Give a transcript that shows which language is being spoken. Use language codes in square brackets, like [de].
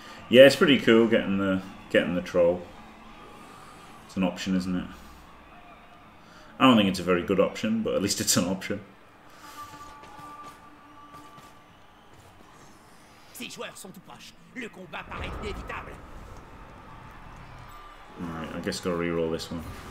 [en] Yeah, it's pretty cool getting the troll. It's an option, isn't it? I don't think it's a very good option, but at least it's an option. [fr] Six joueurs sont tout proches. Le combat paraît inévitable. [en] Alright, I guess gotta reroll this one.